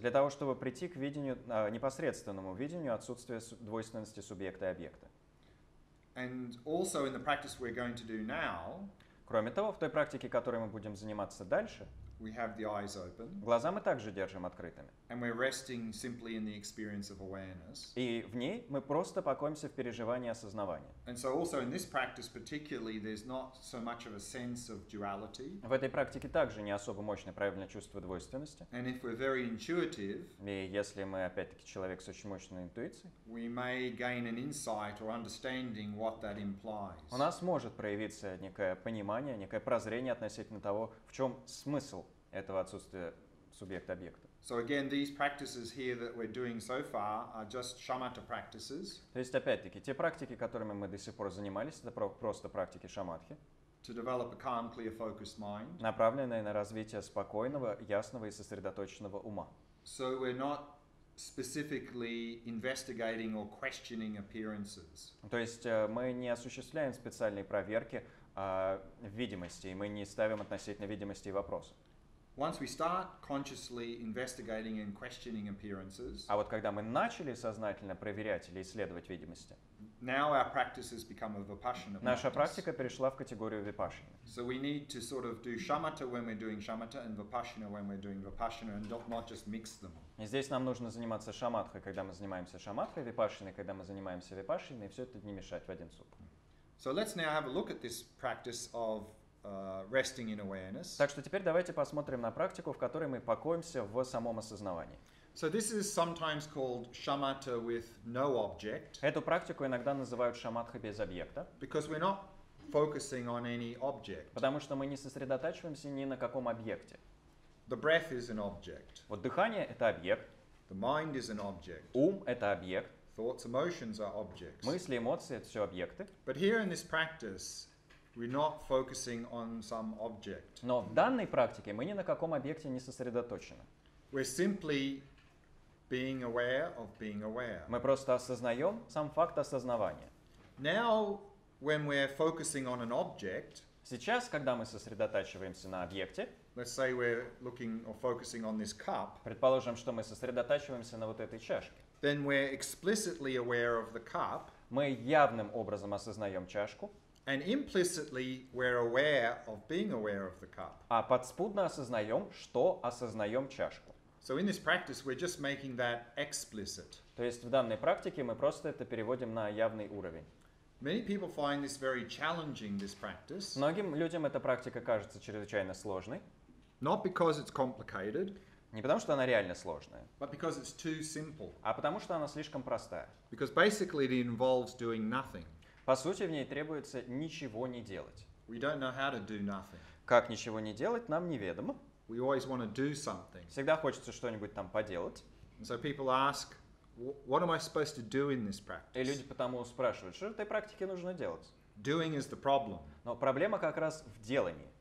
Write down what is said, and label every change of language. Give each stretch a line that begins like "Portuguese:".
Russian: Для того, чтобы прийти к видению, непосредственному видению отсутствия двойственности субъекта и объекта.
English: And also in the practice we're going to do now,
Russian: кроме того, в той практике, которой мы будем заниматься дальше,
English: we have the eyes open.
Russian: Глаза мы также держим открытыми.
English: And we're resting simply in the experience of awareness.
Russian: И в ней мы просто покоимся в переживании осознавания.
English: And so also in this practice particularly there's not so much of a sense of duality.
Russian: В этой практике также не особо мощное проявленное чувство двойственности.
English: And if we're very intuitive,
Russian: и если мы опять-таки человек с очень мощной интуицией,
English: we may gain an insight or understanding what that implies.
Russian: У нас может проявиться некое понимание, некое прозрение относительно того, в чем смысл этого отсутствия субъект-объекта.
English: So again, these practices here that we're doing so far are just shamatha practices.
Russian: То есть опять-таки те практики, которыми мы до сих пор занимались, это просто практики шамадхи.
English: To develop a calm, clear, focused mind.
Russian: Направленные на развитие спокойного, ясного и сосредоточенного ума.
English: So we're not specifically investigating or questioning appearances.
Russian: То есть мы не осуществляем специальные проверки видимости, и мы не ставим относительно видимости вопросы.
English: Once we start consciously investigating and questioning appearances,
Russian: а вот когда мы начали сознательно проверять или исследовать видимости,
English: now our practice has become a vipassana practice.
Russian: Наша практика перешла в категорию випассаны.
English: So we need to sort of do shamatha when we're doing shamatha and vipassana when we're doing vipassana and not just mix them.
Russian: И здесь нам нужно заниматься шамадхой, когда мы занимаемся шамадхой, випассаной, когда мы занимаемся випассаной, и все это не мешать в один суп.
English: So let's now have a look at this practice of resting in awareness.
Russian: Так что теперь давайте посмотрим на практику, в которой мы покоимся в самом осознавании.
English: So this is sometimes called shamatha with no object.
Russian: Эту практику иногда называют шамадха без объекта.
English: Because we're not focusing on any object.
Russian: Потому что мы не сосредотачиваемся ни на каком объекте.
English: The breath is an object.
Russian: Вот дыхание — это объект.
English: The mind is an object.
Russian: Ум — это объект.
English: Thoughts, emotions are objects.
Russian: Мысли, эмоции — это все объекты.
English: But here in this practice, we're not focusing on some object.
Russian: Но в данной практике мы ни на каком объекте не сосредоточены.
English: We're simply being aware of being aware.
Russian: Мы просто осознаем сам факт осознавания.
English: Now, when we're focusing on an object,
Russian: сейчас, когда мы сосредотачиваемся на объекте,
English: let's say we're looking or focusing on this cup,
Russian: предположим, что мы сосредотачиваемся на вот этой чашке,
English: then we're explicitly aware of the cup,
Russian: мы явным образом осознаем чашку,
English: and implicitly we're aware of being aware of the cup.
Russian: А подспудно осознаем, что осознаем чашку.
English: So in this practice we're just making that explicit.
Russian: То есть в данной практике мы просто это переводим на явный уровень.
English: Many people find this very challenging, this practice.
Russian: Многим людям эта практика кажется чрезвычайно сложной.
English: Not because it's complicated.
Russian: Не потому, что она реально сложная.
English: But because it's too simple.
Russian: А потому, что она слишком простая.
English: Because basically it involves doing nothing.
Russian: По сути, в ней требуется ничего не делать.
English: We don't know how to do nothing.
Russian: Как ничего не делать, нам неведомо.
English: We always want to do something.
Russian: Всегда хочется что-нибудь там поделать.
English: And so people ask, what am I supposed to do in this practice?
Russian: И люди потому спрашивают, что в этой практике нужно делать?
English: Doing is the problem.
Russian: Но проблема как раз в делании.